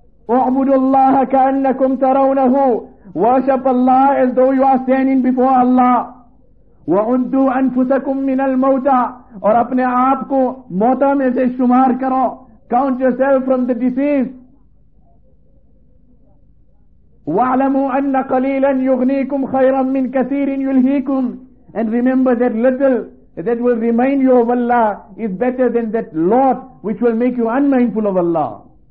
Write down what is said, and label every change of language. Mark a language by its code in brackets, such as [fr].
[ar] اعبدوا الله كأنكم ترونه. [en] Worship Allah as though you are standing before Allah. [ar] وعدوا أنفسكم من الموتى. [ur] اور اپنے آپ کو موتا میں سے شمار کرو. [en] Count yourself from the deceased. [ar] وَعْلَمُوا أَنَّ قَلِيلًا يُغْنِيكُمْ خَيْرًا مِّن كَثِيرٍ يُلْهِيكُمْ. [en] And remember that little that will remind you of Allah is better than that lot which will make you unmindful of Allah.